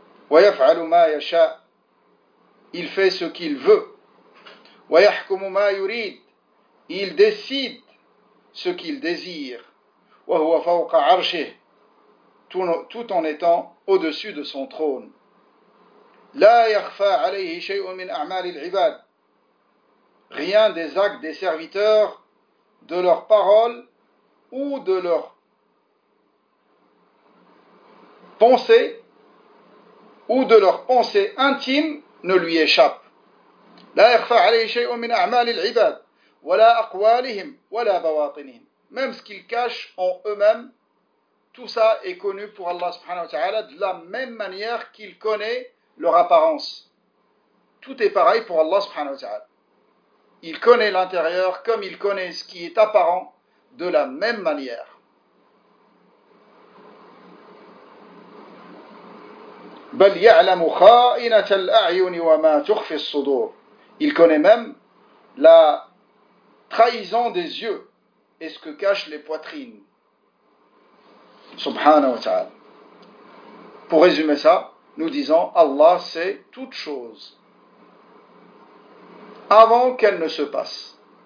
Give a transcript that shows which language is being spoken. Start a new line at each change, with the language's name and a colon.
Arabic: وَيَفْعَلُ مَا يَشَاءُ.
French: Il fait ce qu'il veut.
Arabic: وَيَحْكُمُ مَا يُرِيدُ.
French: Il décide ce qu'il désire.
Arabic: وَهُوَ فَوْقَ عَرْشِهِ.
French: Tout en étant au-dessus de son trône.
Arabic: لا يخفى عليه شيء من أعمال العباد.
French: Rien des actes des serviteurs, de leurs paroles ou de leurs pensées ou de leurs pensées intimes ne lui échappe.
Arabic: لا يخفى عليه شيء من أعمال العباد ولا أقوالهم ولا بواطنهم.
French: Même ce qu'ils cachent en eux-mêmes, tout ça est connu pour Allah subhanahu wa ta'ala de la même manière qu'il connaît leur apparence. Tout est pareil pour Allah subhanahu wa ta'ala. Il connaît l'intérieur comme il connaît ce qui est apparent de la même manière.
Arabic: بل يعلم خائنة الأعين وما تخفي الصدور.
French: Il connaît même la trahison des yeux et ce que cachent les poitrines. Subhanahu wa ta'ala. Pour résumer ça, nous disons Allah sait toute chose avant qu'elle ne se passe.